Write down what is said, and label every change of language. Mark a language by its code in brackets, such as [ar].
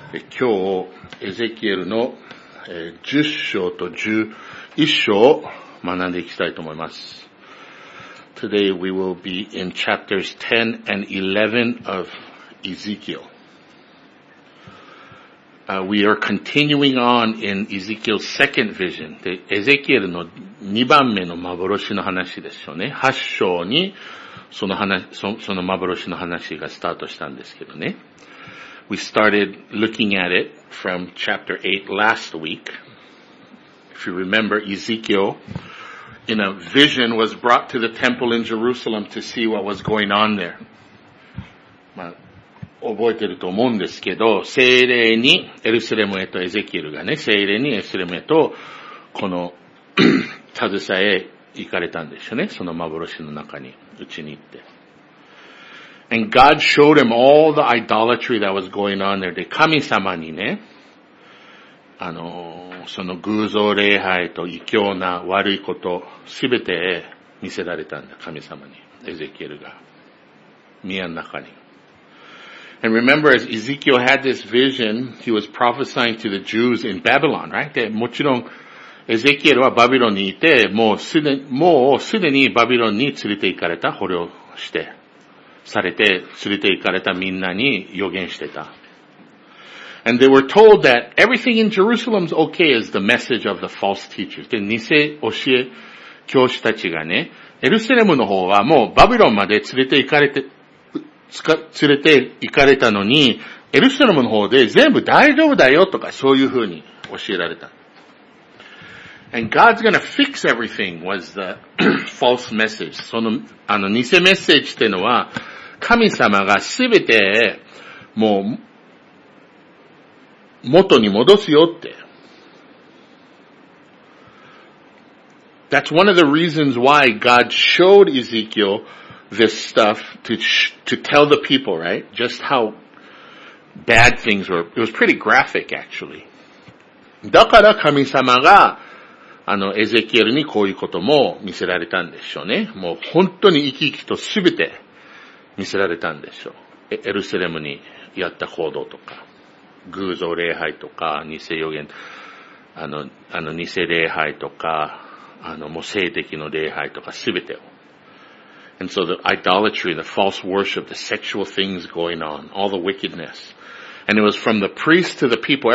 [ja] 今日エゼキエルの10章と11章を学んでいきたいと思います。 [en] Today we will be in chapters 10 and 11 of Ezekiel. We are continuing on in Ezekiel's second vision. [ja] エゼキエルの2番目の幻の話ですよね。 8章にその話、その幻の話がスタートしたんですけどね。 [en] We started looking at it from chapter 8 last week. If you remember, Ezekiel, in a vision, was brought to the temple in Jerusalem to see what was going on there. [ja] まあ、覚えてると思うんですけど、聖霊にエルスレムへとエゼキエルがね、聖霊にエルスレムへとこの携え行かれたんですよね。その幻の中に、うちに行って。 [en] And God showed him all the idolatry that was going on there. [ja] で、神様にね、その偶像礼拝と異教な悪いこと、すべて見せられたんだ、神様に。エゼキエルが。宮の中に。 [en] And remember, as Ezekiel had this vision, he was prophesying to the Jews in Babylon, right? [ja] で、もちろん、エゼキエルはバビロンにいて、もうすでにバビロンに連れて行かれた、捕虜して。されて連れて行かれたみんなに予言してた。 [en] And they were told that everything in Jerusalem's okay is the message of the false teachers. [ja] で、偽教え教師たちがね、エルサレムの方はもうバビロンまで連れて行かれたのに、エルサレムの方で全部大丈夫だよとかそういうふうに教えられた。 [en] And God's gonna fix everything was the false message. [ja] その偽メッセージっていうのは、神様がすべて、もう、元に戻すよって。 [en] That's one of the reasons why God showed Ezekiel this stuff to tell the people, right? Just how bad things were. It was pretty graphic, actually. [ja] だから神様が、エゼキエルにこういうことも見せられたんでしょうね。もう本当に生き生きとすべて見せられたんでしょう。エルサレムにやった行動とか、偶像礼拝とか、偽予言、偽礼拝とか、もう性的の礼拝とか、すべてを。 [en] And so the idolatry, the false worship, the sexual things going on, all the wickedness. And it was from the priest to the people.